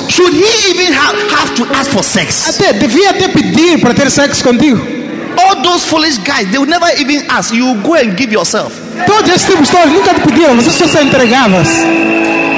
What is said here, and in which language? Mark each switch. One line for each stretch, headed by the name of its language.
English: Should he even have to ask for sex?
Portuguese: Até devia ter pedir para ter sexo contigo.
English: All those foolish guys, they will never even ask. You go and give yourself.
Portuguese: Todos esses tipos de pessoas nunca te pediram, mas você só entregava-se.